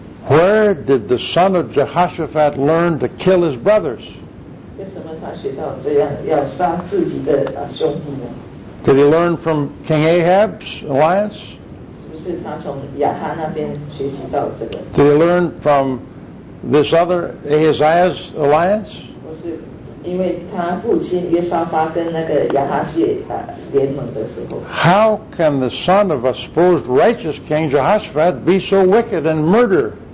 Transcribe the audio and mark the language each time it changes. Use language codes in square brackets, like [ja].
[en] Where did the son of Jehoshaphat learn to kill his brothers? [zh] 为什么他学到这样要杀自己的兄弟呢？ [en] Did he learn from King Ahab's alliance? [zh] 是不是他从亚哈那边学习到这个？ [en] Did he learn from this other Ahaziah's alliance? [zh] 不是。因为他父亲约沙发跟那个亚哈谢联盟的时候， [en] How can the son of a supposed righteous king Jehoshaphat be so wicked and murder?